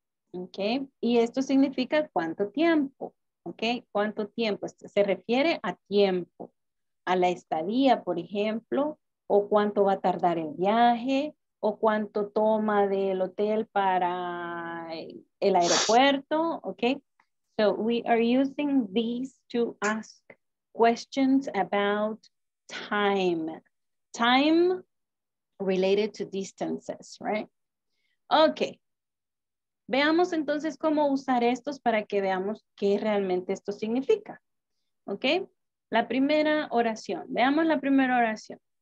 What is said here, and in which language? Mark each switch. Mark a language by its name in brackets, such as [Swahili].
[Spanish] Okay. Y esto significa cuánto tiempo. Okay. Cuánto tiempo. Se refiere a tiempo. A la estadía, por ejemplo. O cuánto va a tardar el viaje. O cuánto toma del hotel para el aeropuerto. Okay. [English] So we are using these to ask questions about time. Time related to distances, right? [Spanish] Okay, veamos entonces cómo usar estos para que veamos qué realmente esto significa. Okay, la primera oración. Veamos la primera oración.